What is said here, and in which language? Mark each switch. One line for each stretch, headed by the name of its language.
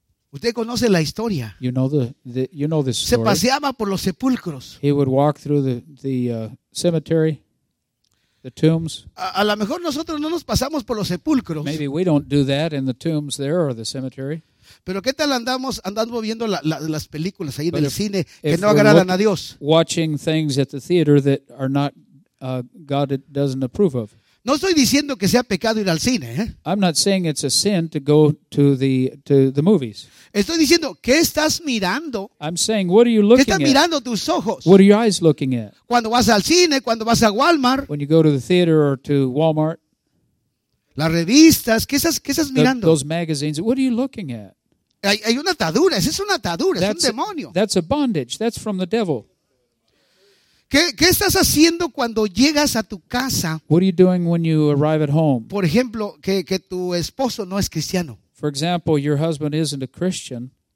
Spanish: Usted conoce la historia.
English: You know the story.
Spanish: Se paseaba por los sepulcros.
English: He would walk through the cemetery, the tombs.
Spanish: A lo mejor nosotros no nos pasamos por los sepulcros.
English: Maybe we don't do that in the tombs there or the cemetery.
Spanish: Pero qué tal andando viendo las películas ahí del cine que no agradan a Dios.
English: Watching things at the theater that are not God doesn't approve of.
Spanish: No estoy diciendo que sea pecado ir al cine, ¿eh?
English: I'm not saying it's a sin to go to the movies.
Spanish: Estoy diciendo, ¿qué estás mirando?
English: I'm saying, what are you looking at?
Spanish: ¿Qué estás mirando tus ojos?
English: What are your eyes looking at?
Spanish: Cuando vas al cine, cuando vas a Walmart.
English: When you go to the theater or to Walmart.
Spanish: Las revistas, ¿qué estás mirando?
English: Those magazines, what are you looking at?
Spanish: Hay una atadura, esa es una atadura, es un demonio.
English: That's a bondage, that's from the devil.
Spanish: ¿Qué estás haciendo cuando llegas a tu casa?
English: What are you doing when you arrive at home?
Spanish: Por ejemplo, que tu esposo no es cristiano.
English: For example, your husband isn't a Christian.